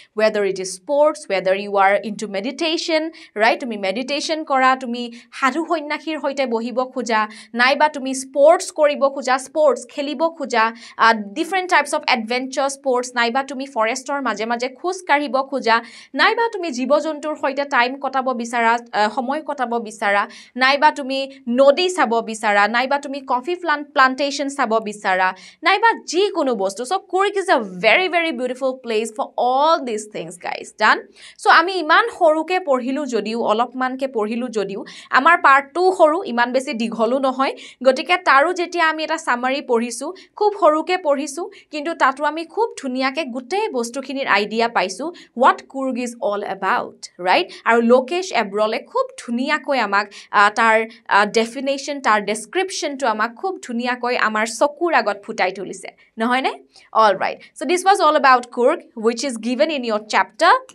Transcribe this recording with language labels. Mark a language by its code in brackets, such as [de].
[en] whether it is sports, whether you are into meditation, right, [as] তুমি meditation কৰা, তুমি সাধু সন্যাসীৰ সৈতে বহিব খোজা, নাইবা তুমি স্পৰ্টছ কৰিব খোজা, স্পৰ্টছ খেলিব খোজা, [en] different types of adventure sports, [as] নাইবা তুমি ফৰেষ্টৰ মাজে মাজে খোজ কাঢ়িব খোজা, নাইবা তুমি জীৱ জন্তুৰ সৈতে টাইম কটাব বিচাৰা, সময় কটাব বিচাৰা, নাইবা তুমি নদী চাব বিচাৰা, নাইবা তুমি কফি প্লানটেশ্যন চাব বিচাৰা, নাইবা যিকোনো বস্তু। [en] So' Coorg is a very very beautiful place for all these things, guys. Done? So, [as] আমি ইমান সৰুকে পঢ়িলোঁ যদিও, অলপমানকে পঢ়িলোঁ যদিও, আমাৰ পাৰ্টটোও সৰু, ইমান বেছি দীঘলো নহয়, গতিকে তাৰো যেতিয়া আমি এটা চামাৰি পঢ়িছোঁ, খুব সৰুকে পঢ়িছোঁ, কিন্তু তাতো আমি খুব ধুনীয়াকৈ গোটেই বস্তুখিনিৰ আইডিয়া পাইছোঁ, [en] What Coorg is all about, right. [as] আৰু লোকেশ এব্ৰলে খুব ধুনীয়াকৈ আমাক তাৰ ডেফিনেশ্যন, তাৰ ডেছক্ৰিপশ্যনটো আমাক খুব ধুনীয়াকৈ আমাৰ চকুৰ আগত ফুটাই তুলিছে, নহয়নে? All right, [en] So' this was all about Coorg, which is given in your chapter.